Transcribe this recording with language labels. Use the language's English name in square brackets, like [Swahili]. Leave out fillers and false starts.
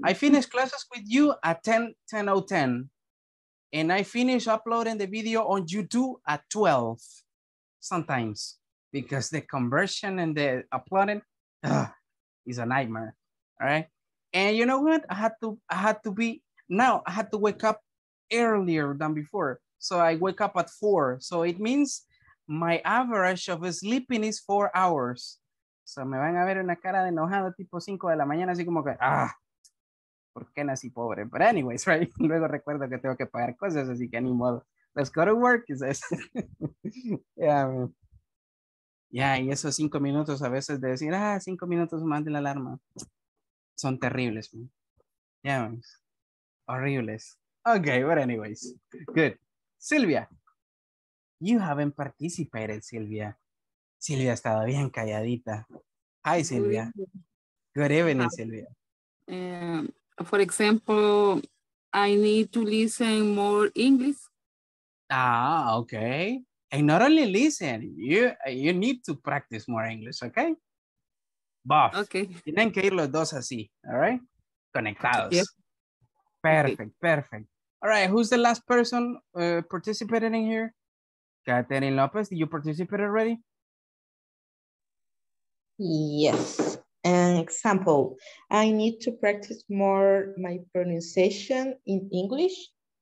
[English] I finish classes with you at 10:10, and I finish uploading the video on YouTube at 12 sometimes, because the conversion and the uploading is a nightmare. All right, and you know what, I had to wake up earlier than before, so I wake up at 4, so it means my average of sleeping is 4 hours. [Spanish] So me van a ver una cara de enojado tipo 5 de la mañana, así como que, ah, ¿por qué nací pobre? [English] But anyways, right? [Spanish] Luego recuerdo que tengo que pagar cosas, así que ni modo. [English] Let's go to work, he says. Yeah, man. [Spanish] Yeah, y esos 5 minutos a veces de decir, ah, 5 minutos más de la alarma, son terribles, man. [English] Yeah, man. Horribles. Okay, but anyways, good. Silvia. You haven't participated, Silvia. [Spanish] Silvia estaba bien calladita. [English] Hi, Silvia. Good evening, Silvia. For example, I need to listen more English. Ah, okay. And not only listen, you need to practice more English, okay? Buff. Okay. [Spanish] Tienen que ir los dos así, all right? [English] Conectados. Yep. Perfect, okay. Perfect. All right, who's the last person participating in here? Katherine Lopez, did you participate already? Yes. An example, I need to practice more my pronunciation in English.